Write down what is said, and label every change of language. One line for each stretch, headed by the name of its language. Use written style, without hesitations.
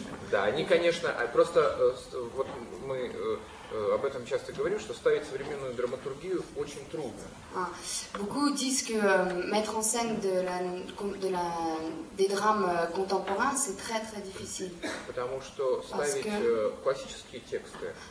Russian: Да, они, конечно, просто вот мы об этом часто говорим, что ставить современную драматургию очень трудно.
French: Beaucoup disent que mettre en scène des drames contemporains, c'est très très difficile.
Russian: Потому что ставить классические тексты.